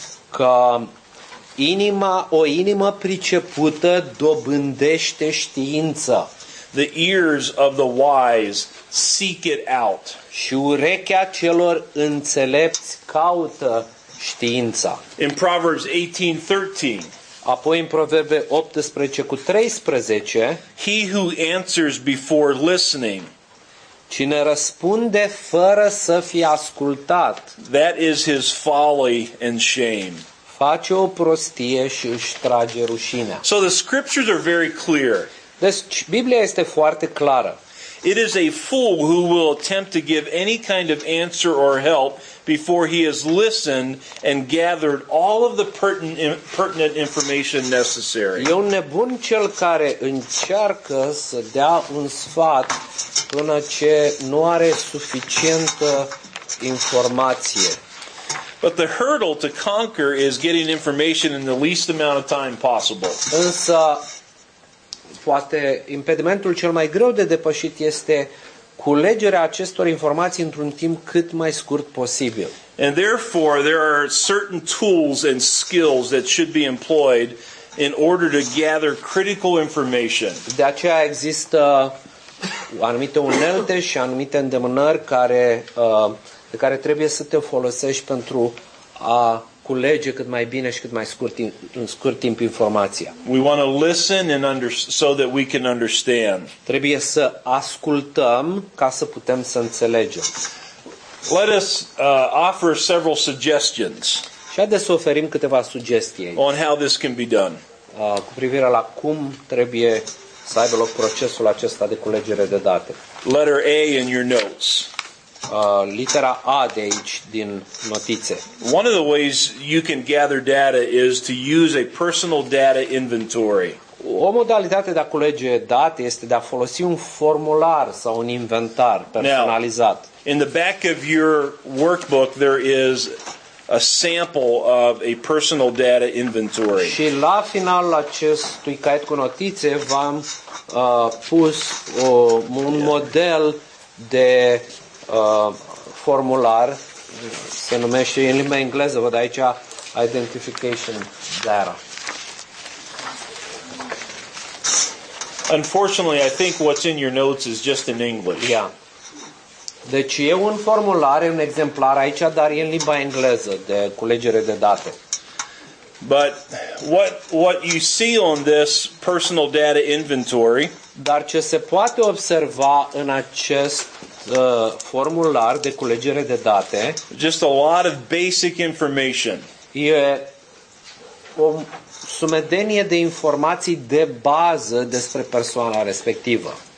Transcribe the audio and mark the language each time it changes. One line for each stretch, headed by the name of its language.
Romanian: Că o inimă pricepută dobândește știință.
English: The ears of the wise seek it out.
Romanian: Și urechea celor înțelepți caută știința.
English: In Proverbs 18:13.
Romanian: Apoi în Proverbe 18:13,
English: He who answers before listening,
Romanian: cine răspunde fără să fie ascultat,
English: that is his folly and shame.
Romanian: Face o prostie și își trage rușinea.
English: So the scriptures are very clear.
Romanian: Deci Biblia este foarte clară.
English: It is a fool who will attempt to give any kind of answer or help before he has listened and gathered all of the pertinent information necessary.
Romanian: E un nebun cel care încearcă să dea un sfat până ce nu are suficientă informație.
English: But the hurdle to conquer is getting information in the least amount of time possible.
Romanian: Însă poate impedimentul cel mai greu de depășit este culegerea acestor informații într-un timp cât mai scurt posibil.
English: And therefore there are certain tools and skills that should be employed in order to gather critical information.
Romanian: De aceea există anumite unelte și anumite îndemânări care de care trebuie să te folosești pentru a culege cât mai bine și cât mai scurt timp, în scurt timp informația.
English: We want to listen and so that we can understand.
Romanian: Trebuie să ascultăm ca să putem să înțelegem.
English: Let us offer several suggestions.
Romanian: Și haideți să oferim câteva sugestii.
English: On how this can be done.
Romanian: Cu privire la cum trebuie să aibă loc procesul acesta de culegere de date.
English: Letter A in your notes.
Romanian: Litera A de aici din notițe.
English: One of the ways you can gather data is to use a personal data inventory.
Romanian: O modalitate de a culege date este de a folosi un formular sau un inventar personalizat.
English: Now, in the back of your workbook there is a sample of a personal data inventory.
Romanian: Și la finalul acestui caiet cu notițe v-am pus un model de formular, se numește în limba engleză, văd aici
English: identification data. Unfortunately, I think what's in your notes is just in English. Yeah.
Romanian: Deci e un formular, e un exemplar aici, dar e în limba engleză de culegere de date.
English: But what you see on this personal data inventory,
Romanian: dar ce se poate observa în acest formular de culegere de date,
English: just a lot of basic information.
Romanian: E o sumedenie de informații de bază despre persoana respectivă.